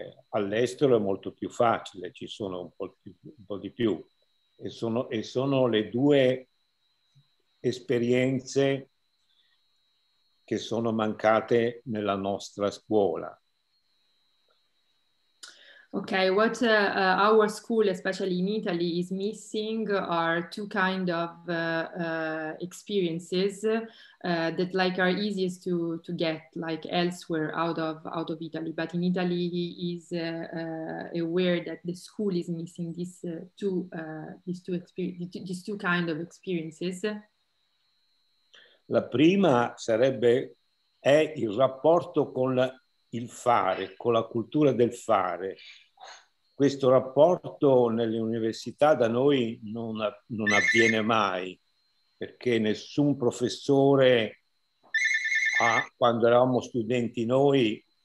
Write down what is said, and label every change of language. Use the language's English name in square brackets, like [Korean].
[Italian] All'estero è molto più facile, ci sono un po' di più. E sono le due esperienze che sono mancate nella nostra scuola. [English] Okay, what our school, especially in Italy, is missing are two kind of experiences that like are easiest to get like elsewhere out of Italy. But in Italy, he is aware that the school is missing these two kind of experiences. [Italian] La prima sarebbe è il rapporto con il fare, con la cultura del fare. Questo rapporto nelle università da noi non avviene mai, perché nessun professore, quando eravamo studenti noi,